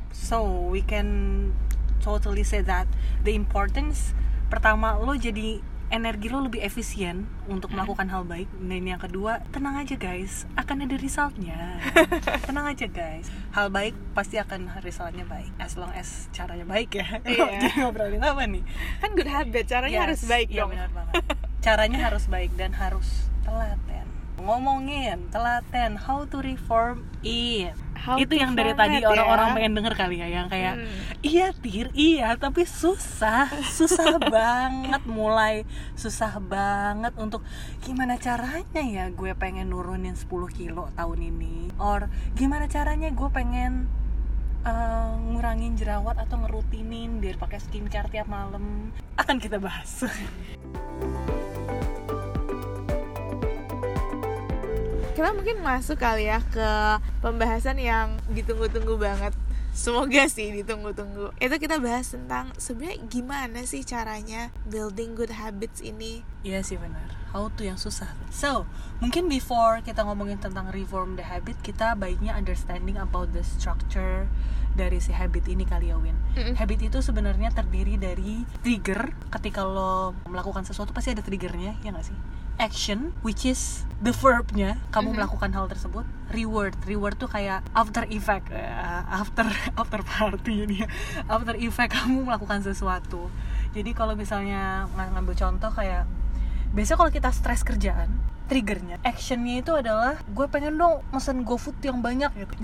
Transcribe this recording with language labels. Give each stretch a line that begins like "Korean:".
English: So we can totally say that the importance,
Indonesian: pertama lo jadi energi lo lebih efisien untuk melakukan hal baik, dan yang kedua, tenang aja guys, akan ada resultnya. Tenang aja guys, hal baik pasti akan resultnya baik, as long as caranya baik ya. Jadi ngobrolin apa nih, kan good habit, caranya harus baik dong. Benar banget, caranya harus baik dan harus telaten. Ngomongin telaten,
English: how to reform it.
Indonesian: How itu yang dari tadi ya? Orang-orang pengen denger kali ya, yang kayak iya Tir, iya, tapi susah banget mulai, susah banget untuk gimana caranya ya gue pengen nurunin 10 kilo tahun ini, or gimana caranya gue pengen ngurangin jerawat atau ngerutinin biar pakai skincare tiap malam, akan kita bahas. Kita mungkin masuk kali ya ke pembahasan yang ditunggu-tunggu banget. Semoga sih ditunggu-tunggu. Itu kita bahas tentang sebenarnya gimana sih caranya building good habits ini. Iya sih benar. how to yang susah. So, mungkin before kita ngomongin tentang reform the habit, kita baiknya
English: understanding about the structure
Indonesian: dari si habit ini kali ya, Win. Mm-hmm. Habit itu sebenarnya terdiri dari trigger. Ketika lo melakukan sesuatu pasti ada triggernya, ya gak sih? Action, which is the verb-nya, kamu mm-hmm. melakukan hal tersebut. Reward, reward tuh kayak after effect, after party ini ya. After effect kamu melakukan sesuatu. Jadi kalau misalnya ngambil contoh kayak biasanya kalau kita stres kerjaan, triggernya, actionnya itu adalah gue pengen dong mesen GoFood yang banyak gitu.